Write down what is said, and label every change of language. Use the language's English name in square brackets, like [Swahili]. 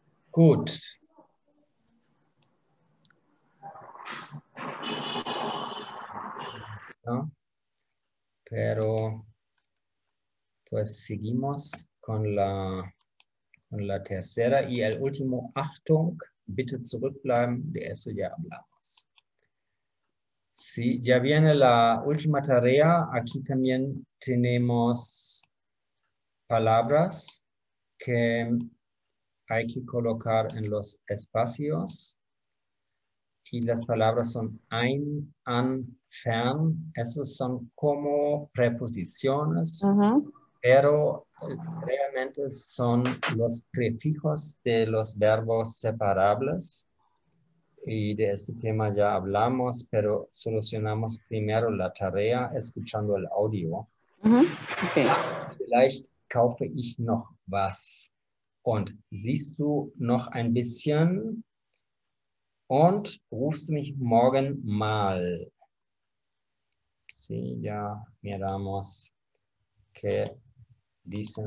[German] Gut. [Spanish] Pero pues seguimos con la tercera y el último. [German] Achtung, bitte zurückbleiben, [Spanish] de eso ya hablamos. Sí, ya viene la última tarea. Aquí también tenemos palabras que hay que colocar en los espacios. Y las palabras son ein, an, fern. Esas son como preposiciones, pero realmente son los prefijos de los verbos separables. Y de este tema ya hablamos, pero solucionamos primero la tarea escuchando el audio. Okay. [German] Vielleicht kaufe ich noch was. Und siehst du noch ein bisschen und rufst du mich morgen mal. [Spanish] Sí, ya miramos que dicen.